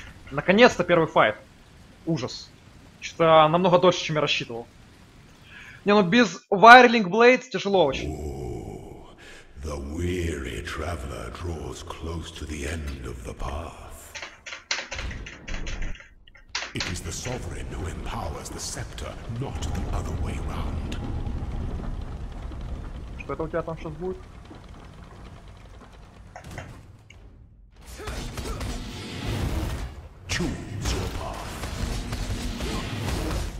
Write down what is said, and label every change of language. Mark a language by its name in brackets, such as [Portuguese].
[Russian] Наконец-то первый файт. Ужас. Что-то намного дольше, чем я рассчитывал. Не, ну без Wireling Blades тяжело очень. [English] The weary traveler draws close to the end of the path. It is the sovereign who empowers the scepter, not the other way round. [Russian] Что это у тебя там сейчас будет? [English] Choose your path.